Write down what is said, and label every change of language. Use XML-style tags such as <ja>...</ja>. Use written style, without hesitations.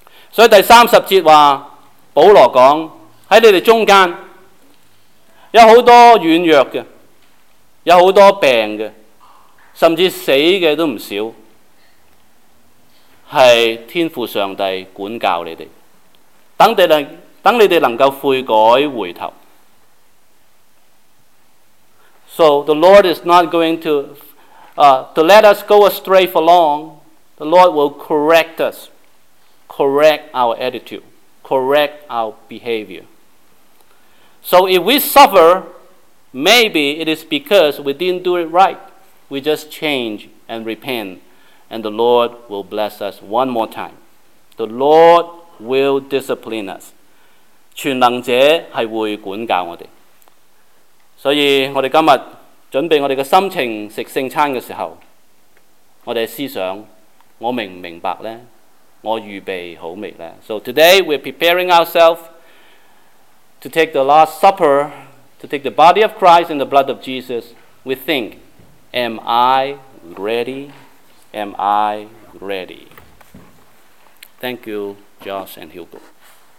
<zh>所以第30节说，保罗说，在你们中间有很多软弱的，有很多病的，甚至死的都不少，是天父上帝管教你们，等你们能够悔改回头。</zh> <en>So the Lord is not going to let us go astray for long. The Lord will correct us, correct our attitudecorrect our behavior. So if we suffer, maybe it is because we didn't do it right. We just change and repent, and the Lord will bless us one more time. The Lord will discipline us.</en> <zh>全能者是会管教我们。所以我们今天准备我们的心情吃圣餐的时候，我们思想，我明不明白呢？我预备好未呢？</zh> <en>So today we're preparing ourselves to take the Last Supper, to take the body of Christ and the blood of Jesus. We think, am I ready? Am I ready? Thank you, Josh and Hugo.</en>